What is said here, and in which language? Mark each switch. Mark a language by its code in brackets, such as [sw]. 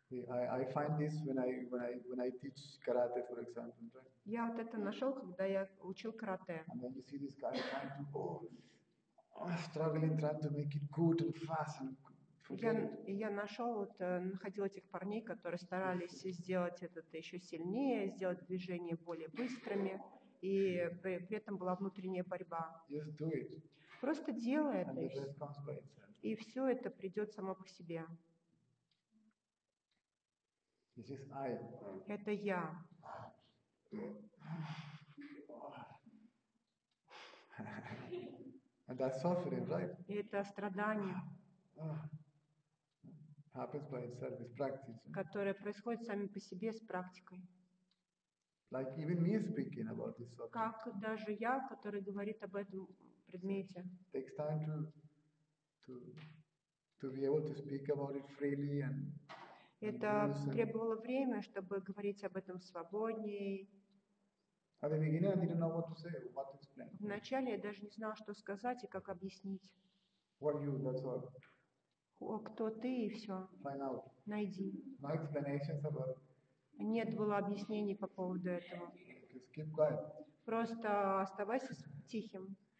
[en] I find this when I teach karate, for example, right? [ru] Я вот это нашел, когда я учил карате. [en] And then you see this guy trying to struggling, trying to make it good and fast and [ru] Я нашел, вот, находил этих парней, которые старались сделать это еще сильнее, сделать движения более быстрыми, и при этом была внутренняя борьба. [en] Just do it. [ru] Просто делай [en] and [ru] это, [en] the rest comes by itself. [ru] И все это придет само по себе. [en] This is I. [ru] Это я. [en] And that's suffering, right? [ru] И это страдание. [en] Happens by itself with practice. [ru] Которое происходит сами по себе с практикой. [en] Like even me speaking about this subject. [ru] Как даже я, который говорит об этом предмете. [en] It takes time to be able to speak about it freely and [ru] это требовало время, чтобы говорить об этом свободнее. [en] At the beginning I didn't know what to say, what to explain. [ru] Вначале я даже не знала, что сказать и как объяснить. [en] What you, that's all. [ru] О, кто ты и все. [en] Find out. [ru] Найди. [en] No explanations about it. [ru] Нет было объяснений по поводу этого. [en] Just keep quiet. [ru] Просто оставайся тихим.